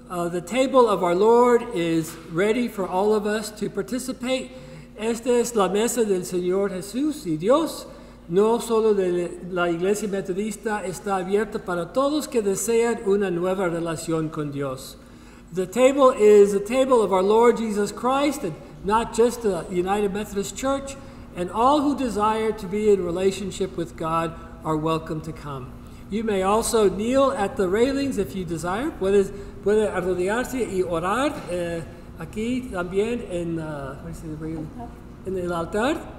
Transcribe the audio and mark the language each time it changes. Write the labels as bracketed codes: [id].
[en] The table of our Lord is ready for all of us to participate. [es] Esta es la mesa del Señor Jesús y Dios. No solo de la Iglesia Metodista, está abierta para todos que desean una nueva relación con Dios. [en] The table is the table of our Lord Jesus Christ, and not just the United Methodist Church, and all who desire to be in relationship with God are welcome to come. You may also kneel at the railings if you desire. [es] Puede arrodillarse y orar aquí también en el altar.